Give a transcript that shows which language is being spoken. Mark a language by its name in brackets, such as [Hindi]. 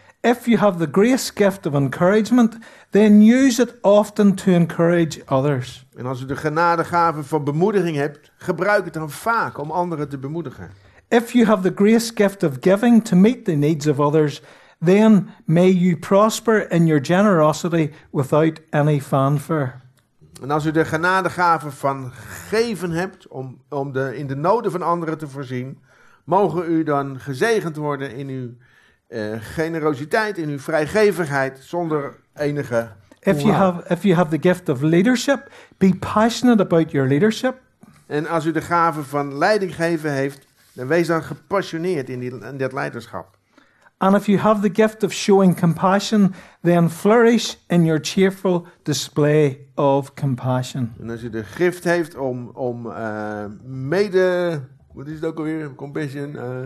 [English] If you have the grace gift of encouragement, then use it often to encourage others. [Dutch] En als u de genadegave van bemoediging hebt, gebruik het dan vaak om anderen te bemoedigen. [English] If you have the grace gift of giving to meet the needs of others, then may you prosper in your generosity without any fanfare. [Dutch] En als u de genadegave van geven hebt om de in de noden van anderen te voorzien, mogen u dan gezegend worden in uw generositeit, in uw vrijgevigheid, zonder enige [English] If you have the gift of leadership, be passionate about your leadership. [Dutch] En als u de gave van leidinggeven heeft, dan wees dan gepassioneerd in dat leiderschap. [English] And if you have the gift of showing compassion, then flourish in your cheerful display of compassion. [Dutch] En als u de gift heeft om mede... Wat is het ook alweer? Compassion.